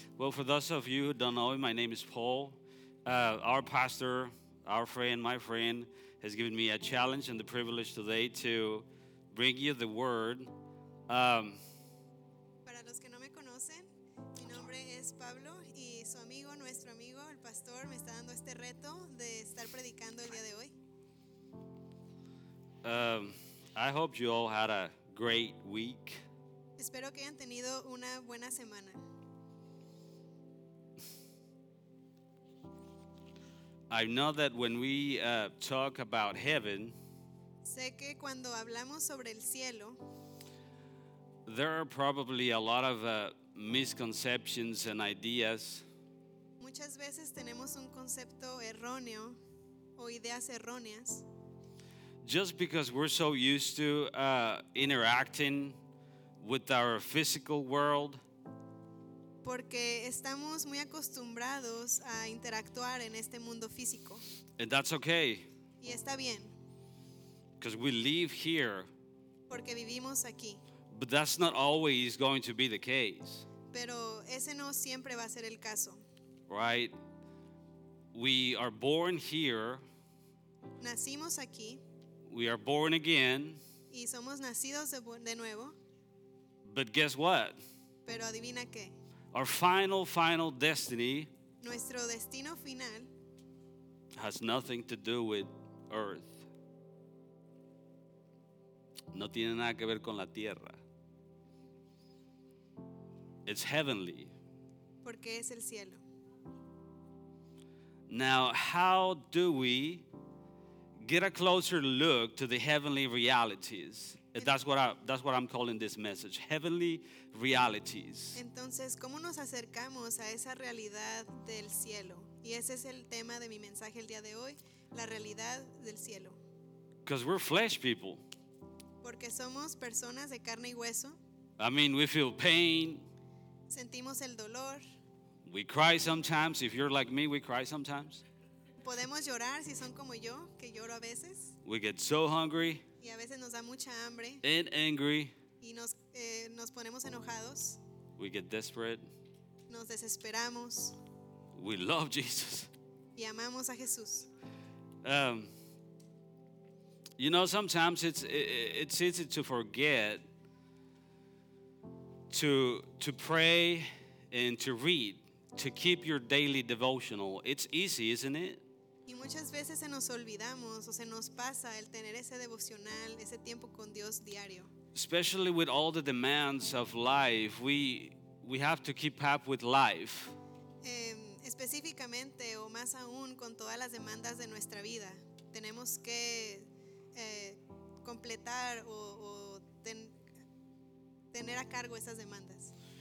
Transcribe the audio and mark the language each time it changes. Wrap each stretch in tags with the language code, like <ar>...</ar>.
<en>Well, for those of you who don't know, my name is Paul. Our pastor, our friend, my friend, has given me a challenge and the privilege today to bring you the word.</en> <es>Para los que no me conocen, mi nombre es Pablo y su amigo, nuestro amigo, el pastor, me está dando este reto de estar predicando el día de hoy.</es> <en>I hope you all had a great week.</en> <es>Espero que hayan tenido una buena semana.</es> <en>I know that when we talk about heaven,</en> <es>sé que cuando hablamos sobre el cielo,</es> <en>there are probably a lot of misconceptions and ideas.</en> <es>Muchas veces tenemos un concepto erróneo o ideas erróneas.</es> <en>Just because we're so used to interacting with our physical world,</en> <es>porque estamos muy acostumbrados a interactuar en este mundo físico.</es> <en>And that's okay.</en> <es>Y está bien.</es> <en>Because we live here.</en> <es>Porque vivimos aquí.</es> <en>But that's not always going to be the case.</en> <es>Pero ese no siempre va a ser el caso.</es> <en>Right? We are born here.</en> <es>Nacimos aquí.</es> <en>We are born again.</en> <es>Y somos nacidos de nuevo.</es> <en>But guess what?</en> <es>Pero adivina qué.</es> <en>Our final destiny,</en> <es>nuestro destino final,</es> <en>has nothing to do with earth.</en> <es>No tiene nada que ver con la tierra.</es> <en>It's heavenly.</en> <es>Porque es el cielo.</es> <en>Now, how do we get a closer look to the heavenly realities? That's what I'm calling this message, heavenly realities.</en> <es>Entonces, ¿cómo nos acercamos a esa realidad del cielo? Y ese es el tema de mi mensaje el día de hoy, la realidad del cielo.</es> <en>Because we're flesh people.</en> <es>Porque somos personas de carne y hueso.</es> <en>I mean, we feel pain.</en> <es>Sentimos el dolor.</es> <en>We cry sometimes. If you're like me, we cry sometimes.</en> <es>Podemos llorar si son como yo, que lloro a veces.</es> <en>We get so hungry.</en> <es>Y a veces nos da mucha hambre.</es> <en>And angry.</en> <es>Y nos ponemos enojados.</es> <en>We get desperate.</en> <es>Nos desesperamos.</es> <en>We love Jesus.</en> <es>Y amamos a Jesús.</es> <en>You know, sometimes it's easy to forget to pray and to read, to keep your daily devotional. It's easy, isn't it?</en> <es>Y muchas veces se nos olvidamos o se nos pasa el tener ese devocional, ese tiempo con Dios diario.</es> <en>Especially with all the demands of life, we have to keep up with life.</en> <es>Específicamente o más aún con todas las demandas de nuestra vida, tenemos que completar o tener a cargo esas demandas.</es>